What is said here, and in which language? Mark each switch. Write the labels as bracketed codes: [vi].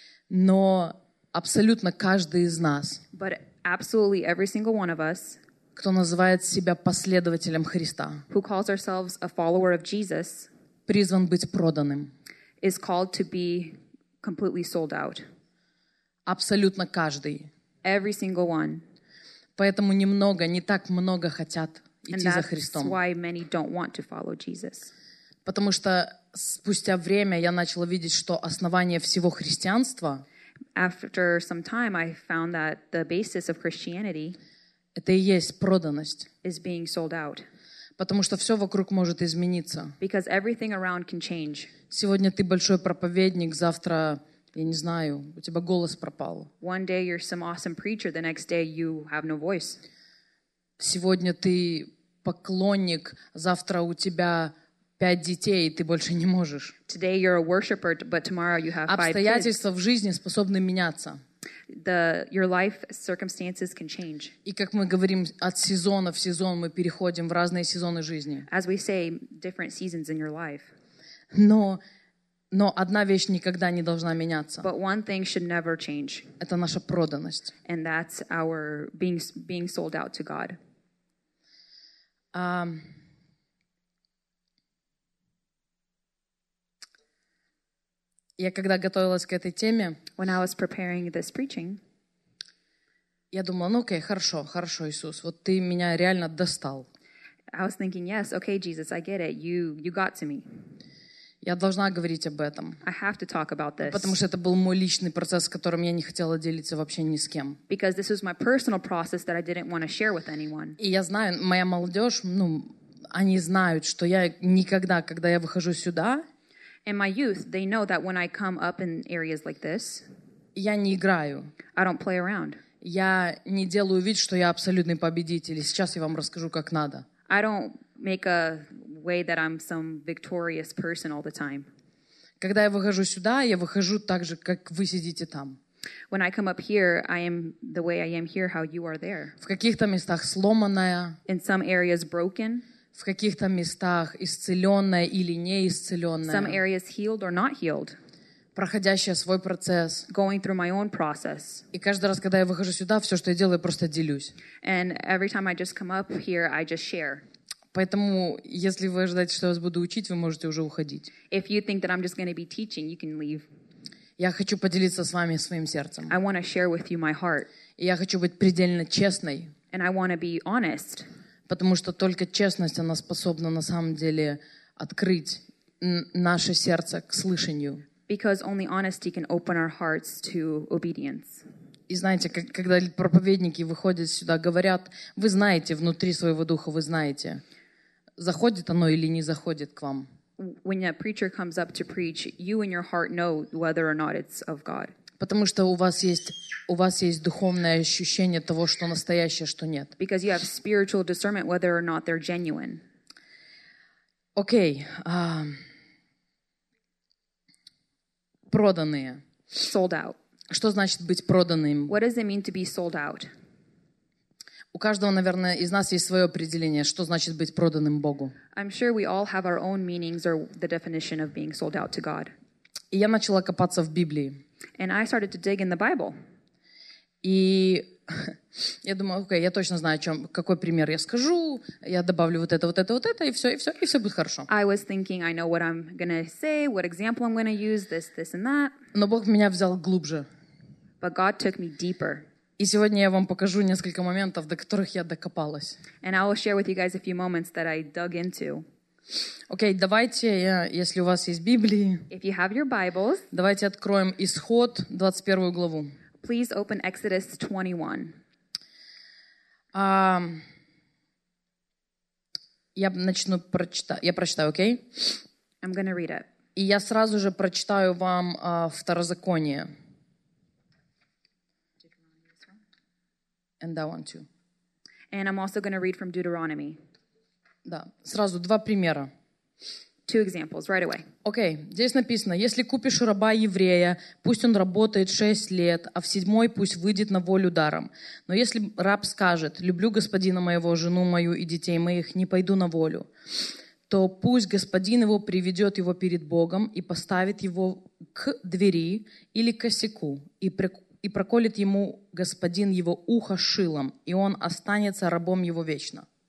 [ru] Но абсолютно каждый из нас. [en] But absolutely every single one of us. [ru] Кто называет себя последователем Христа? [en] Who calls ourselves a follower of Jesus? [ru] Призван быть проданным. [en] Is called to be completely sold out. [ru] Абсолютно каждый. [en] Every single one. [ru] Поэтому немного, не так много хотят идти за Христом. [en] And that's why many don't want to follow Jesus. [ru] Потому что спустя время я начала видеть, что основание всего христианства. [en] After some time, I found that the basis of Christianity. [ru] Это и есть проданность. [en] Is being sold out. [ru] Потому что все вокруг может измениться. [en] Because everything around can change. [ru] Сегодня ты большой проповедник, завтра, я не знаю, у тебя голос пропал. [en] One day you're some awesome preacher, the next day you have no voice. [ru] Сегодня ты поклонник, завтра у тебя 5 детей, и ты больше не можешь. [en] Today you're a worshipper, but tomorrow you have 5 kids. [ru] Обстоятельства в жизни способны меняться. [en] Your life circumstances can change. [ru] И как мы говорим, от сезона в сезон мы переходим в разные сезоны жизни. [en] As we say, different seasons in your life. [ru] Но одна вещь никогда не должна меняться. [en] But one thing should never change. [ru] Это наша проданность. [en] And that's our being sold out to God. [ru] Я когда готовилась к этой теме, [en] when I was preparing this preaching, [ru] я думала, ну окей, хорошо, Иисус, вот ты меня реально достал. [en] I was thinking, yes, okay, Jesus, I get it, you got to me. [ru] Я должна говорить об этом. [en] I have to talk about this. [ru] Потому что это был мой личный процесс, которым я не хотела делиться вообще ни с кем. [en] Because this was my personal process that I didn't want to share with anyone. [ru] И я знаю, моя молодежь, ну, они знают, что я никогда, когда я выхожу сюда. [en] In my youth, they know that when I come up in areas like this, [ru] я не играю. [en] I don't play around. [ru] Я не делаю вид, что я абсолютный победитель. И сейчас я вам расскажу, как надо. [en] I don't make a way that I'm some victorious person all the time. [ru] Когда я выхожу сюда, я выхожу так же, как вы сидите там. [en] When I come up here, I am the way I am here, how you are there. [ru] В каких-то местах сломанная. [en] In some areas broken. [ru] В каких-то местах исцеленная или неисцеленная. [en] Some areas healed or not healed. [ru] Проходящая свой процесс. [en] Going through my own process. [ru] И каждый раз, когда я выхожу сюда, все, что я делаю, я просто делюсь. [en] And every time I just come up here, I just share. [ru] Поэтому, если вы ожидаете, что я вас буду учить, вы можете уже уходить. [en] If you think that I'm just going to be teaching, you can leave. [ru] Я хочу поделиться с вами своим сердцем. [en] I want to share with you my heart. [ru] И я хочу быть предельно честной. [en] And I want to be honest. [ru] Потому что только честность, она способна на самом деле открыть наше сердце к слышанию. [en] Because only honesty can open our hearts to obedience. [ru] И знаете, когда проповедники выходят сюда, говорят, вы знаете внутри своего духа, вы знаете, заходит оно или не заходит к вам. [en] When a preacher comes up to preach, you in your heart know whether or not it's of God. [ru] Потому что у вас есть духовное ощущение того, что настоящее, что нет. [en] Because you have spiritual discernment whether or not they're genuine. [ru] Окей. Проданные. [en] Sold out. [ru] Что значит быть проданным? [en] What does it mean to be sold out? [ru] У каждого, наверное, из нас есть свое определение, что значит быть проданным Богу. [en] I'm sure we all have our own meanings or the definition of being sold out to God. [ru] И я начала копаться в Библии. [en] And I started to dig in the Bible. [ru] И я думаю, окей, я точно знаю, о чем, какой пример я скажу, я добавлю вот это, вот это, вот это, и все будет хорошо. [en] I was thinking, I know what I'm gonna say, what example I'm gonna use, this, this and that. [ru] Но Бог меня взял глубже. [en] But God took me deeper. [ru] И сегодня я вам покажу несколько моментов, до которых я докопалась. [en] And I will share with you guys a few moments that I dug into. [ru] Окей, давайте, если у вас есть Библии, [en] if you have your Bibles, [ru] давайте откроем Исход, 21 главу. [en] Please open Exodus 21. [ru] Я начну прочитать, я прочитаю, окей? [en] Okay? I'm gonna read it. [ru] И я сразу же прочитаю вам Второзаконие. [en] And that one too. And I'm also gonna read from Deuteronomy. [ru] Да, сразу два примера. [en] two examples right away. [ru] Окей, здесь написано, если купишь раба еврея, пусть он работает 6 лет, а в седьмой пусть выйдет на волю даром. Но если раб скажет, люблю господина моего, жену мою и детей моих, не пойду на волю, то пусть господин его приведет его перед Богом и поставит его к двери или косяку и проколет ему господин его ухо шилом, и он останется рабом его вечно.